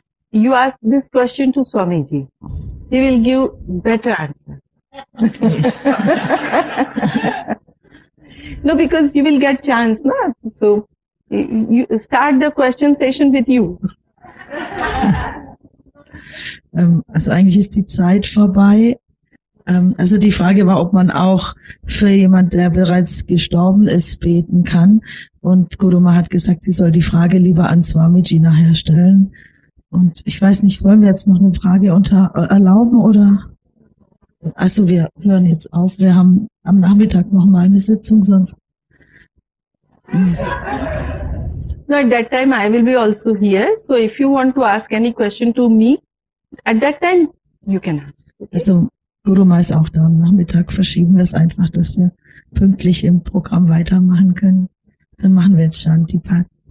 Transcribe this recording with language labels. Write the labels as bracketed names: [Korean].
[English] you ask this question to Swamiji. He will give better answer. No, because you will get chance, na? So, you start the question session with you. [German] Also eigentlich ist die Zeit vorbei. Also die Frage war, ob man auch für jemand, der bereits gestorben ist, beten kann. Und Guruma hat gesagt, sie soll die Frage lieber an Swamiji nachher stellen. Und ich weiß nicht, sollen wir jetzt noch eine Frage erlauben oder? Also wir hören jetzt auf. Wir haben am Nachmittag noch mal eine Sitzung, sonst. [English] No, at that time I will be also here. So if you want to ask any question to me, at that time you can ask. Okay? [German] Also Guruma ist auch da am Nachmittag. Verschieben wir es einfach, dass wir pünktlich im Programm weitermachen können. Dann machen wir jetzt Shantipat.